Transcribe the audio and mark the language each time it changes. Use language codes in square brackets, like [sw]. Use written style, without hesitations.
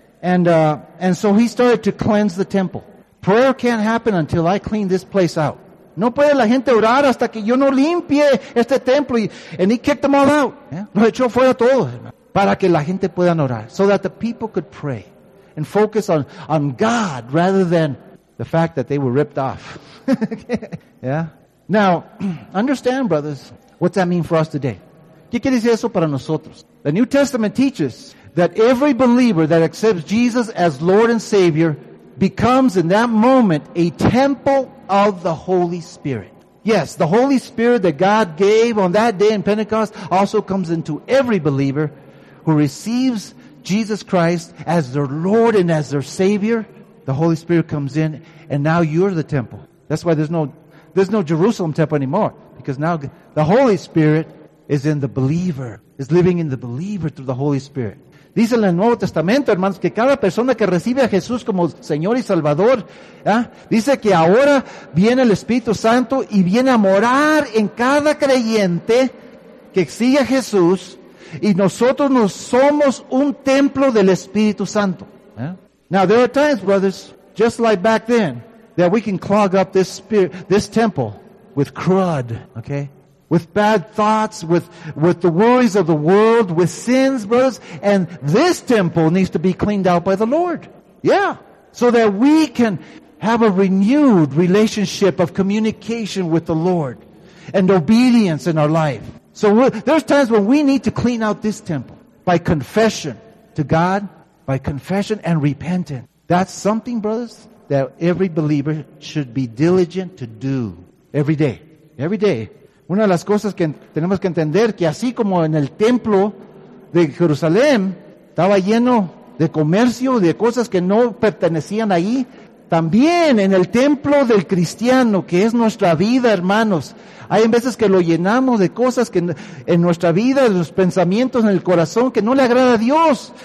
[en] And so he started to cleanse the temple. Prayer can't happen until I clean this place out. [es] No puede la gente orar hasta que yo no limpie este templo. [en] And he kicked them all out. [es] Yeah? Lo echó fuera todos. Para que la gente pueda orar. [en] So that the people could pray. And focus on God rather than the fact that they were ripped off. Yeah. Now, understand, brothers, what that mean for us today. [es] ¿Qué quiere decir eso para nosotros? [en] The New Testament teaches that every believer that accepts Jesus as Lord and Savior becomes in that moment a temple of the Holy Spirit. Yes, the Holy Spirit that God gave on that day in Pentecost also comes into every believer who receives Jesus Christ as their Lord and as their Savior. The Holy Spirit comes in, and now you're the temple. That's why there's no Jerusalem temple anymore, because now the Holy Spirit is in the believer, is living in the believer through the Holy Spirit. [es] Dice en el Nuevo Testamento, hermanos, que cada persona que recibe a Jesús como Señor y Salvador, dice que ahora viene el Espíritu Santo y viene a morar en cada creyente que sigue a Jesús, y nosotros nos somos un templo del Espíritu Santo. [en] Now, there are times, brothers, just like back then, that we can clog up this temple with crud, okay? with bad thoughts, with the worries of the world, with sins, brothers. And this temple needs to be cleaned out by the Lord. Yeah. So that we can have a renewed relationship of communication with the Lord and obedience in our life. So there's times when we need to clean out this temple by confession to God, by confession and repentance. That's something, brothers, that every believer should be diligent to do every day. Every day. [es] Una de las cosas que tenemos que entender, que así como en el templo de Jerusalén estaba lleno de comercio, de cosas que no pertenecían ahí, también en el templo del cristiano, que es nuestra vida, hermanos, hay veces que lo llenamos de cosas que en nuestra vida, de los pensamientos en el corazón, que no le agrada a Dios.